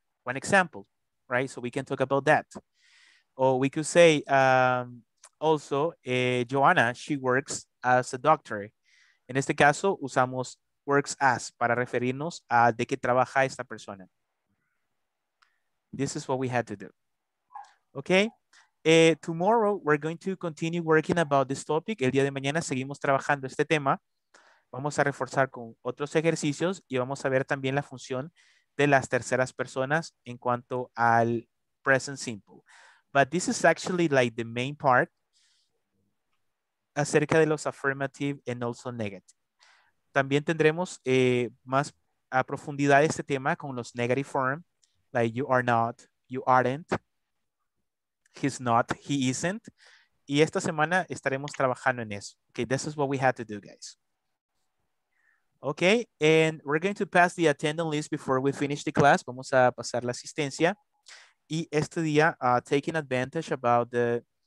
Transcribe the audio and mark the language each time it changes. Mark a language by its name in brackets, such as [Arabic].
[English] One example, right? So we can talk about that. Or we could say Joanna, she works as a doctor. [Spanish] En este caso, usamos works as para referirnos a de qué trabaja esta persona. This is what we had to do. Okay. [English] Tomorrow, we're going to continue working about this topic. [Spanish] El día de mañana seguimos trabajando este tema. Vamos a reforzar con otros ejercicios y vamos a ver también la función de las terceras personas en cuanto al present simple. [English] But this is actually like the main part acerca de los affirmative and also negative. [Spanish] También tendremos más a profundidad este tema con los negative form. [English] Like you are not, you aren't, he's not, he isn't. [Spanish] Y esta semana estaremos trabajando en eso. Okay, this is what we had to do, guys. [English] Okay, and we're going to pass the attendance list before we finish the class. [Spanish] Vamos a pasar la asistencia. Y este día, taking advantage about the...